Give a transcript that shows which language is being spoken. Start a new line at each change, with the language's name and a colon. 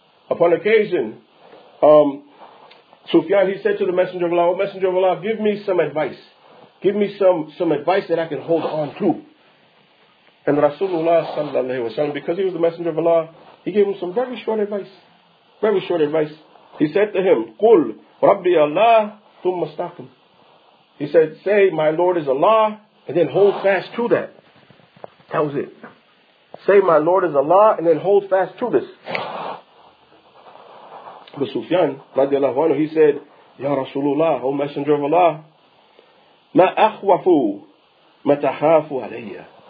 English: Upon occasion, Sufyan, he said to the Messenger of Allah, O Messenger of Allah, give me some advice. Give me some advice that I can hold on to. And Rasulullah sallallahu alaihi wasallam, because he was the Messenger of Allah, he gave him some very short advice. Very short advice.
Arabic: He said to him, قُلْ رَبِّي اللَّهِ ثُمَّ اسْتَقِمْ.
English: He said, say, my Lord is Allah, and then hold fast to that. That was it. Say, my Lord is Allah, and then hold fast to this. But Sufyan, radiallahu anhu, he said, Ya Rasulullah, O Messenger of Allah,
Arabic: مَا أَخْوَفُ مَتَحَافُ عَلَيَّ.